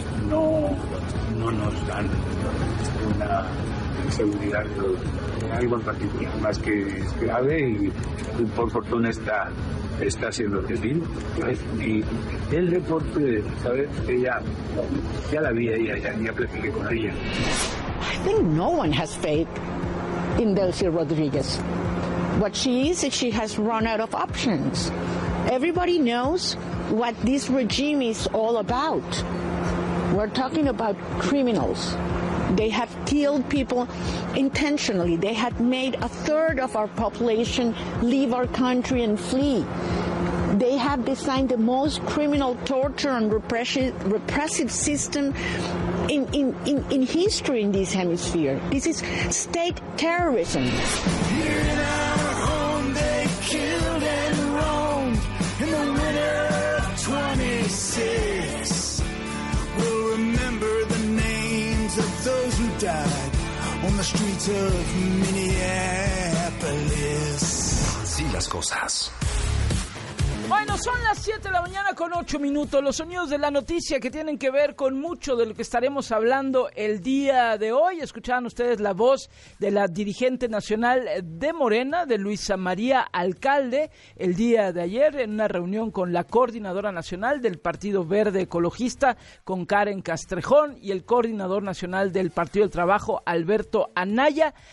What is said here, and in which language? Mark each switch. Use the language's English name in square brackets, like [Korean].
[Spanish] no nos dan una seguridad algo en particular, más que es grave y por fortuna está siendo atendido. Y el deporte, ¿sabes? Ella ya la vi, ya platiqué con ella. [English] I think no one has faith in Delcy Rodríguez. What she has run out of options. Everybody knows what this regime is all about. We're talking about criminals. They have killed people intentionally. They had made a third of our population leave our country and flee. They have designed the most criminal torture and repressive system in history in this hemisphere. This is state terrorism. Here in our home, they killed and roamed in the winter of 26. We'll remember the names of those who died on the streets of Minneapolis. [Spanish] Así las cosas. Bueno, son las 7 de la mañana con 8 minutos. Los sonidos de la noticia que tienen que ver con mucho de lo que estaremos hablando el día de hoy. Escuchaban ustedes la voz de la dirigente nacional de Morena, de Luisa María Alcalde, el día de ayer en una reunión con la coordinadora nacional del Partido Verde Ecologista, con Karen Castrejón, y el coordinador nacional del Partido del Trabajo, Alberto Anaya.